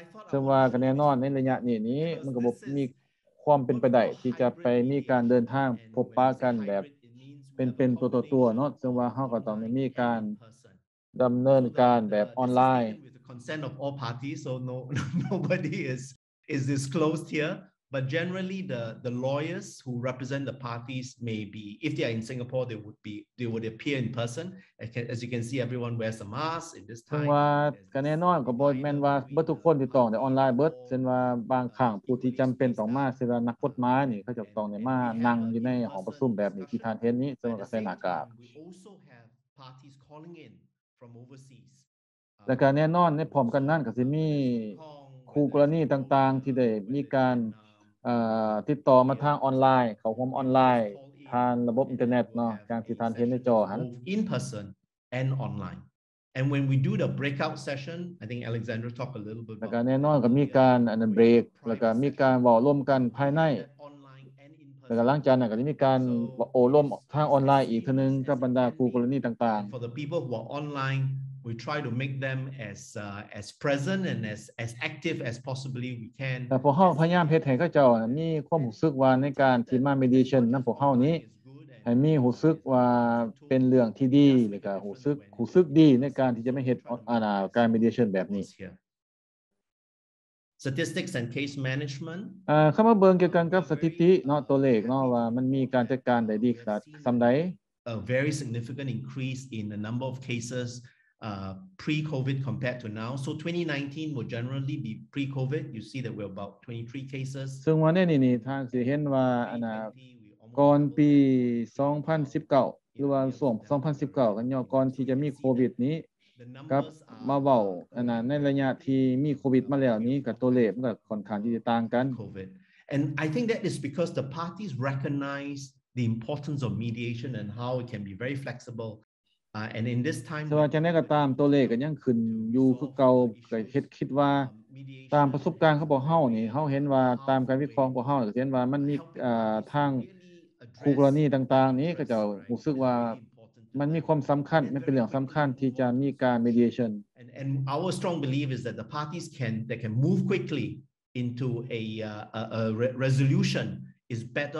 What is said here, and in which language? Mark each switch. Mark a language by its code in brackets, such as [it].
[tts] ซึ่งว่าก็แน่นอนในระยะนี้มันก็บ่มีความเป็นไปได้ที่จะไปมีการเดินทางพบปะกันแบบเป็นตัวเนาะซึ่งว่าเฮาก็ต้องมีการดําเนินการแบบออนไลน์ [en] with the consent of all parties so nobody is disclosed here but generally the lawyers who represent the parties may be if they are in Singapore they would appear in person as you can see everyone wears a mask in this time [tts] ว่าก็แน่นอนก็บ่แม่นว่าบ่ทุกคนที่ต้องได้ออนไลน์เบิดเช่นว่าบางครั้งผู้ที่จําเป็นต้องมาเช่นนักกฎหมายนี่เขาจะต้องได้มานั่งอยู่ในหอประชุมแบบนี้ที่ท่านเห็นนี้ซึ่งก็ใส่หน้ากาก [en] we also have parties calling in from overseas [tts] แล้วก็แน่นอนในพร้อมกันนั้นก็สิมีคู่กรณีต่างๆที่ได้มีการติดต่อมาทางออนไลน์เขาห่วมออนไลน์ทางระบบอินเทอร์เน็ตเนาะอย่างที่ท่านเห็นในจอหัน [en] in person and online and when we do the breakout session I think Alexandra talk a little bit [tts] แล้วก็แน่นอนก็มีการอันเบรกแล้วก็มีการเว้าร่วมกันภายในแล้วก็หลังจากนั้นก็มีการโอร่วมทางออนไลน์อีกทีนึงกับบรรดาคู่กรณีต่าง [en] ๆ for the people who are online we try to make them as present and as active as possibly we can [tts] แต่พวกเฮาพยายามเฮ็ดให้เขาเจ้ามีความรู้สึกว่าในการที่มา mediation นําพวกเฮานี้ให้มีรู้สึกว่าเป็นเรื่องที่ดีแล้วก็รู้สึกดีในการที่จะมาเฮ็ดการ mediation แบบนี้ [en] statistics and case management [tts] คําว่าเบิ่งเกี่ยวกันกับสถิติเนาะตัวเลขเนาะว่ามันมีการจัดการได้ดีขนาดซําใด [en] a very significant increase in the number of casespre-COVID compared to now. So 2019 will generally be pre-COVID. You see that we're about 23 cases. [tts] ซึ่งวันนี้นี่ท่านสิเห็นว่าก่อนปี2019หรือว่าช่วง2019กันเนาะก่อนที่จะมีโควิดนี้กับมาเว้าในระยะที่มีโควิดมาแล้วนี้กับตัวเลขมันก็ค่อนข้างที่จะต่างกัน [en] COVID. And I think that is because the parties recognize the importance of mediation and how it can be very flexible. and in this time [tts] so จังได๋ก็ตามตัวเลขก็ยังขึ้นอยู่คือเก่าก็คิดว่าตามประสบการณ์ของพวกเฮานี่เฮาเห็นว่าตามการวิเคราะห์ของพวกเฮาก็เห็นว่ามันมีทางคู่กรณีต่างๆนี้ก็จะรู้สึกว่ามันมีความสําคัญมันเป็นเรื่องสําคัญที่จะมีการ mediation [en] and our strong belief is that the parties can move quickly into a resolution is better